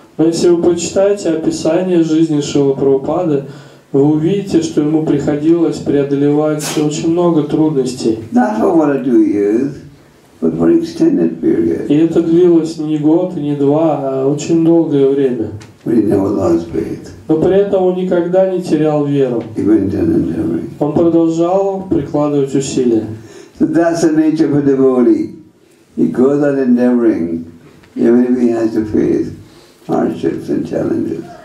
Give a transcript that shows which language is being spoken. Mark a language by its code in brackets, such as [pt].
[ru] Но если вы почитаете описание жизни Шрилы Прабхупады, вы увидите, что ему приходилось преодолевать очень много трудностей. [en] Not for one or two years, but for extended period. [ru] И это длилось не год, не два, а очень долгое время. [en] But he never lost faith. [ru] Но при этом он никогда не терял веру. [en] He went on enduring. [ru] Он продолжал прикладывать усилия. [en] So that's the nature of a devotee. He goes on endeavoring, even if he has to face hardships and challenges.